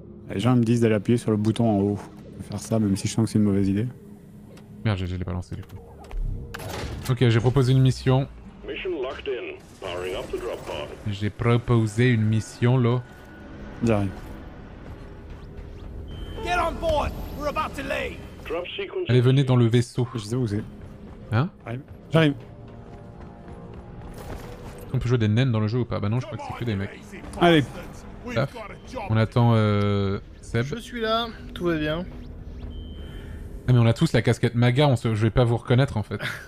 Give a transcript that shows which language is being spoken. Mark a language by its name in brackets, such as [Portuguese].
[French] Les gens me disent d'aller appuyer sur le bouton en haut. Je vais faire ça, même si je sens que c'est une mauvaise idée. Merde, je l'ai pas lancé du coup. Ok, j'ai proposé une mission. [English] Mission locked in. Powering up the drop pod. [French] J'ai proposé une mission, là. J'arrive. [English] Get on board. We're about to leave. [French] Allez, venez dans le vaisseau. Je sais où c'est. Hein ? J'arrive. J'arrive. On peut jouer des naines dans le jeu ou pas ? Bah non, je crois que c'est que des mecs. Allez. Staff. On attend Seb. Je suis là, tout va bien. Ah mais on a tous la casquette MAGA, je vais pas vous reconnaître en fait.